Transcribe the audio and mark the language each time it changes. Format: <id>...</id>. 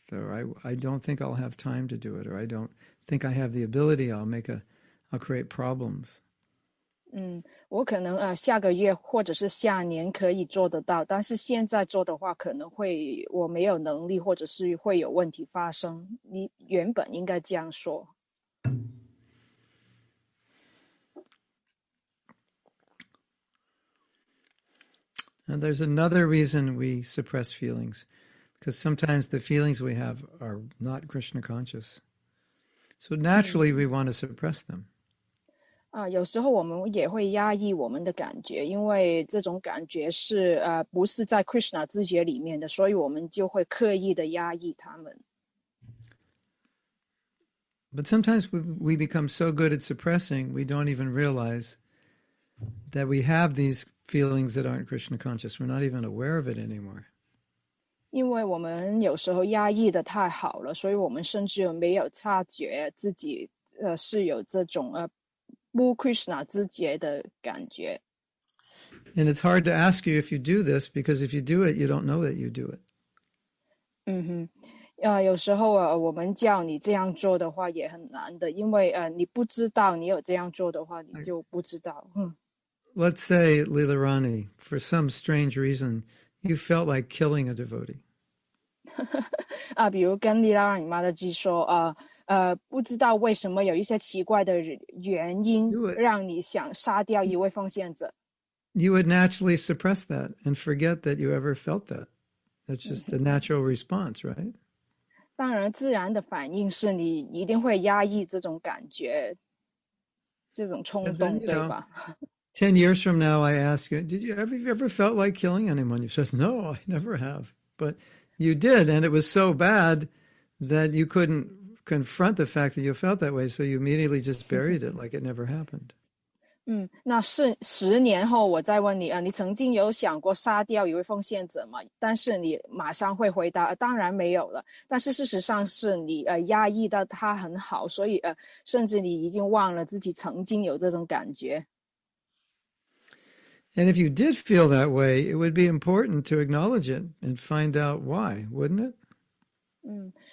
<en>Or I don't think I'll have time to do it, or I don't think I have the ability, I'll create problems.</en> <zh>我可能下个月或者是下年可以做得到，但是现在做的话可能会我没有能力，或者是会有问题发生。你原本应该这样说。</zh> <en>And there's another reason we suppress feelings. Because sometimes the feelings we have are not Krishna conscious. So naturally we want to suppress them.</en> <zh>有时候我们也会压抑我们的感觉，因为这种感觉是不是在 Krishna 自觉里面的，所以我们就会刻意的压抑他们。</zh> <en>But sometimes we become so good at suppressing, we don't even realize that we have these feelings that aren't Krishna conscious. We're not even aware of it anymore.</en> <zh>因为我们有时候压抑的太好了，所以我们甚至没有察觉自己是有这种不 Krishna 自觉的感觉。</zh> <en>And it's hard to ask you if you do this, because if you do it, you don't know that you do it.</en> <zh>有时候我们叫你这样做的话也很难的，因为你不知道你有这样做的话，你就不知道。</zh> <en>Let's say, Lila Rani, for some strange reason, you felt like killing a devotee.</en> <zh>比如跟莉拉让你妈的鸡说不知道为什么有一些奇怪的原因让你想杀掉一位奉献者。</zh> <en>You would naturally suppress that and forget that you ever felt that. That's just a natural response, right?</en> <zh>当然自然的反应是你一定会压抑这种感觉，这种冲动，对吧</zh> <en>you know, 10 years from now, I ask you, did you ever, have you ever felt like killing anyone? You said, no, I never have. But you did, and it was so bad that you couldn't confront the fact that you felt that way, so you immediately just buried it like it never happened.</en> <zh>那十年后我再问你，你曾经有想过杀掉一位奉献者吗？但是你马上会回答，当然没有了。但是事实上是你压抑的他很好，所以甚至你已经忘了自己曾经有这种感觉。</zh> <en>And if you did feel that way, it would be important to acknowledge it and find out why, wouldn't it?</en>